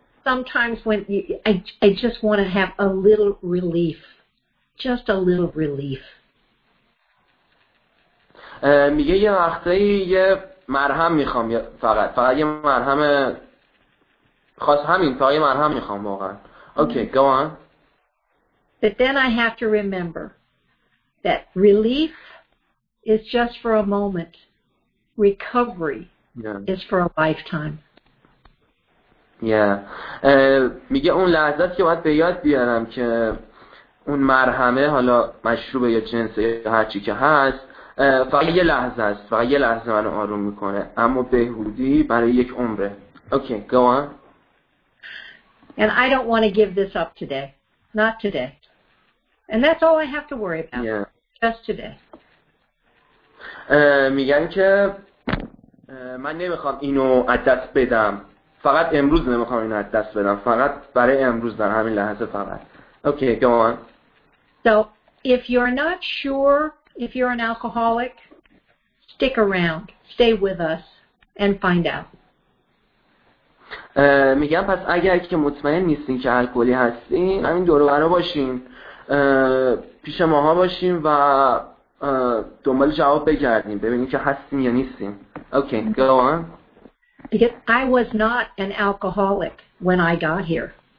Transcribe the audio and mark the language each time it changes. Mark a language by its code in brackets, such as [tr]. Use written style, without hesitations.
[en] Sometimes when I just want to have a little relief, just a little relief. [fa] میگه یه وقتایی یه مرهم میخوام، فقط یه مرهم خاص، همین تا یه مرهم میخوام واقعا. [en] Okay go on. But then I have to remember that relief is just for a moment recovery yeah. is for a lifetime. Yeah. [fa] میگه اون لحظه‌ای که باید به یاد بیارم که اون مرهمه حالا مشروب یا جنس یا هر چی که هست فقط یه لحظه است، فقط یه لحظه منو آروم میکنه، اما بهبودی برای یک عمره. [en] Okay, go on. And I don't want to give this up today. Not today. And that's all I have to worry about. Yeah. Just today. [fa] میگن که من نمیخوام اینو از دست بدم. فقط امروز نمیخوام اینو از دست بدم. فقط برای امروز در همین لحظه فقط. [en] Okay, go on. So, if you're not sure if you're an alcoholic, stick around. Stay with us and find out. [fa] میگم پس اگر که مطمئن نیستین که الکلی هستین، همین دور و برا باشین، پیش ماها باشین و دنبال جواب بگردین ببینین که هستین یا نیستین. [en] Okay, go on. Because I was not an alcoholic when I got here.